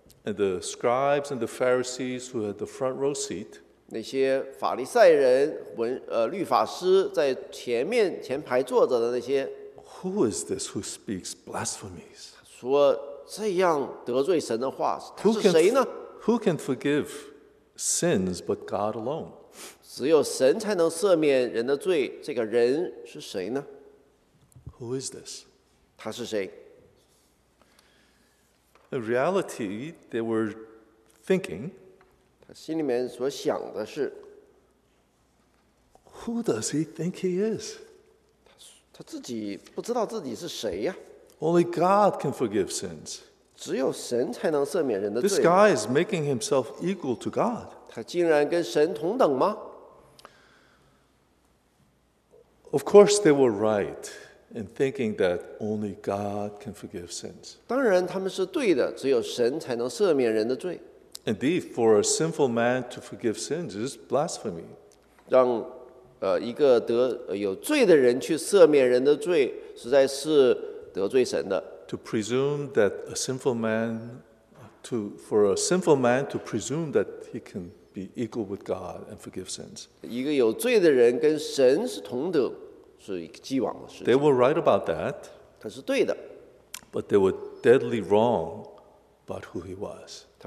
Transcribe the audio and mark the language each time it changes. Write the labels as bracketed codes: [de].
[en] And the scribes and the Pharisees who had the front row seat, [zh] 那些法利赛人、律法师在前排坐着的那些, [en] who is this who speaks blasphemies? [zh] 说这样得罪神的话, 他是谁呢? [en] Who can forgive sins but God alone? [zh] 只有神才能赦免人的罪, 这个人是谁呢? [en] Who is this? [zh] 他是谁? [en] In reality, they were thinking, [zh] 他心里面所想的是, [en] Who does he think he is? [zh] 他自己不知道自己是谁呀。 [en] Only God can forgive sins. [zh] 只有神才能赦免人的罪。 [en] This guy is making himself equal to God. [zh] 他竟然跟神同等吗? [en] Of course, they were right. In thinking that only God can forgive sins. [zh] 当然，他们是对的，只有神才能赦免人的罪。 [en] Indeed, for a sinful man to forgive sins is blasphemy. [zh] 让一个有罪的人去赦免人的罪，实在是得罪神的。 [en] To presume that a sinful man, to presume that he can be equal with God and forgive sins. [zh] 一个有罪的人跟神是同德。 [en] They were right about that. [zh] 他是对的, [en] but they were deadly wrong about who he was.